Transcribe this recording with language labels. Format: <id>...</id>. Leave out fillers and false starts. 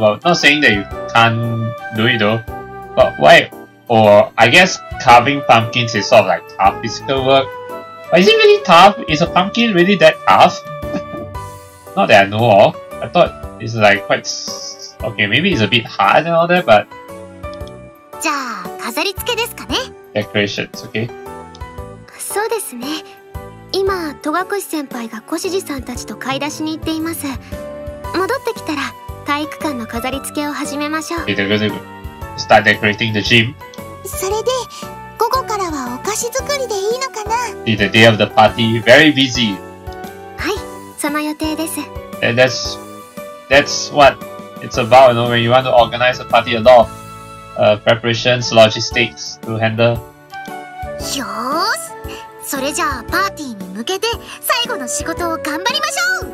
<en>Well, not saying that you can't do it though. But why? Or I guess carving pumpkins is sort of like tough physical work. But is it really tough? Is a pumpkin really that tough? Not that I know of. I thought it's like quite okay, maybe it's a bit hard and all that, but</en> <ja>じゃあ飾り付けですかね?</ja> <en>Decorations, okay?</en> <ja>そうですね。今、戸隠先輩が小指さんたちと買い出しに行っています。戻ってきたら、体育館の飾り付けを始めましょう。</ja> <en>Okay, they're gonna start decorating the gym.</en> <ja>それで、午後からはお菓子作りでいいのかな?</ja> <en>It's the day of the party, very busy.</en> <ja>はい、その予定です。</ja> <en>And that's what it's about, you know, when you want to organize a party, a lot of preparations, logistics to handle.</en> <ja>よーし! それじゃあパーティーに向けて最後の仕事を頑張りましょう!</ja>